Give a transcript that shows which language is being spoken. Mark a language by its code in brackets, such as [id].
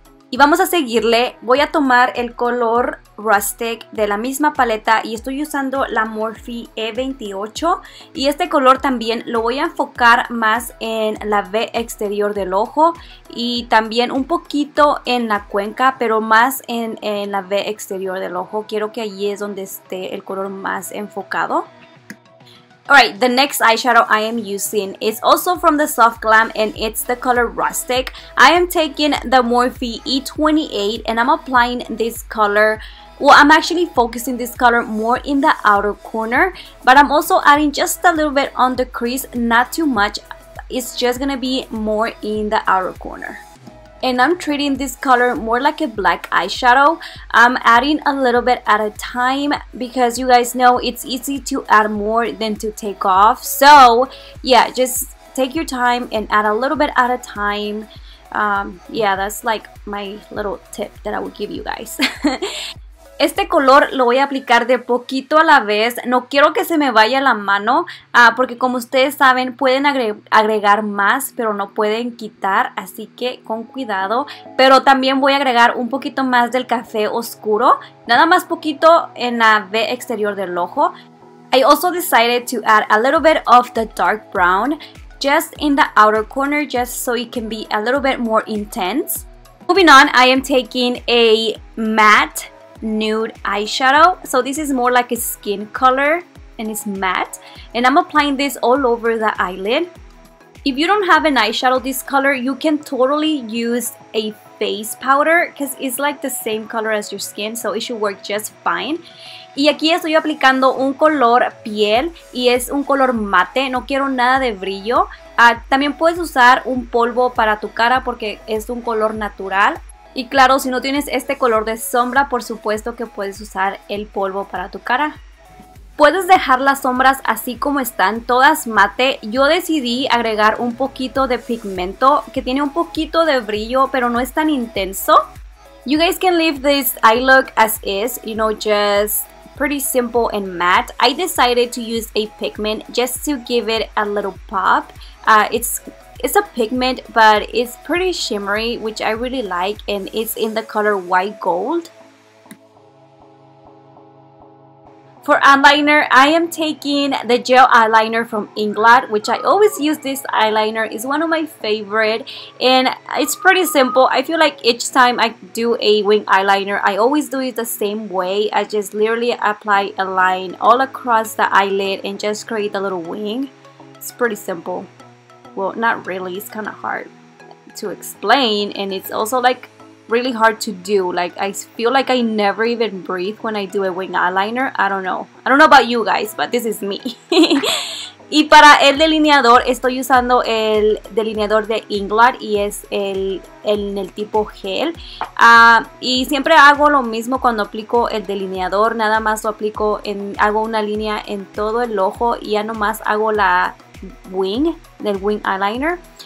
[es] Y vamos a seguirle. Voy a tomar el color Rustic de la misma paleta y estoy usando la Morphe E28. Y este color también lo voy a enfocar más en la V exterior del ojo y también un poquito en la cuenca, pero más en la V exterior del ojo. Quiero que allí es donde esté el color más enfocado. [en] Alright, the next eyeshadow I am using is also from the Soft Glam and it's the color Rustic. I am taking the Morphe E28 and I'm applying this color. Well, I'm actually focusing this color more in the outer corner, but I'm also adding just a little bit on the crease, not too much. It's just gonna be more in the outer corner. And I'm treating this color more like a black eyeshadow. I'm adding a little bit at a time because you guys know it's easy to add more than to take off. So yeah, just take your time and add a little bit at a time. Yeah, that's like my little tip that I would give you guys. [es] Este color lo voy a aplicar de poquito a la vez. No quiero que se me vaya la mano, porque como ustedes saben, pueden agregar más, pero no pueden quitar, así que con cuidado. Pero también voy a agregar un poquito más del café oscuro, nada más poquito en la V exterior del ojo. [en] I also decided to add a little bit of the dark brown just in the outer corner, just so it can be a little bit more intense. Moving on, I am taking a matte nude eyeshadow. So this is more like a skin color and it's matte. And I'm applying this all over the eyelid. If you don't have an eyeshadow this color, you can totally use a face powder because it's like the same color as your skin, so it should work just fine. [es] Y aquí estoy aplicando un color piel y es un color mate, no quiero nada de brillo. También puedes usar un polvo para tu cara porque es un color natural. Y claro, si no tienes este color de sombra, por supuesto que puedes usar el polvo para tu cara. Puedes dejar las sombras así como están, todas mate. Yo decidí agregar un poquito de pigmento que tiene un poquito de brillo, pero no es tan intenso. [en] You guys can leave this eye look as is, you know, just pretty simple and matte. I decided to use a pigment just to give it a little pop. It's a pigment, but it's pretty shimmery, which I really like, and it's in the color white gold. For eyeliner, I am taking the gel eyeliner from Inglot, which I always use this eyeliner. It's one of my favorite, and it's pretty simple. I feel like each time I do a wing eyeliner, I always do it the same way. I just literally apply a line all across the eyelid and just create the little wing. It's pretty simple. Well, not really. It's kind of hard to explain, and it's also like really hard to do. Like, I feel like I never even breathe when I do a wing eyeliner. I don't know about you guys, but this is me. [es] Y para el delineador estoy usando el delineador de Inglot y es el tipo gel. Y siempre hago lo mismo cuando aplico el delineador, nada más lo aplico en, hago una línea en todo el ojo y ya nomás hago la wing del wing eyeliner.